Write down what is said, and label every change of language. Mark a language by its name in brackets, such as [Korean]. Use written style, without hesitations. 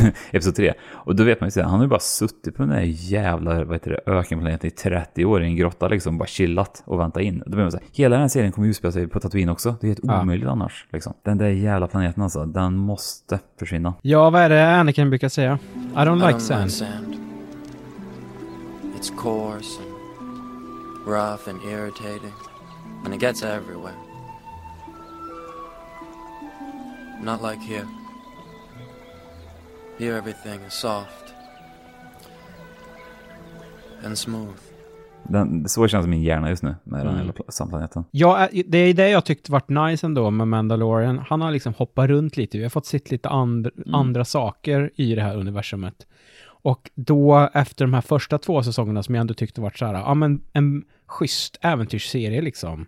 [English] episode 3. [Swedish] Och då vet man ju så här, han har ju bara suttit på den där jävla, vad heter det, ökenplaneten i 30 år i en grotta liksom, bara chillat och väntat in. Och då blir man så här, hela den här serien kommer ju spela sig på Tatooine också. Det är helt omöjligt annars liksom. Den där jävla planeten alltså, den måste försvinna. Ja, vad är det Anakin brukar säga? [English] I don't like sand. It's coarse and rough and irritating and it gets everywhere. Not like here. Here everything is soft and smooth. [Swedish] Så känns min hjärna just nu med den hela samplaneten. Ja, det är det jag tyckte varit nice ändå med Mandalorian. Han har liksom hoppat runt lite. Vi har fått sett lite andra saker i det här universumet. Och då efter de här första två säsongerna som jag ändå tyckte varit så här, en schysst äventyrsserie liksom.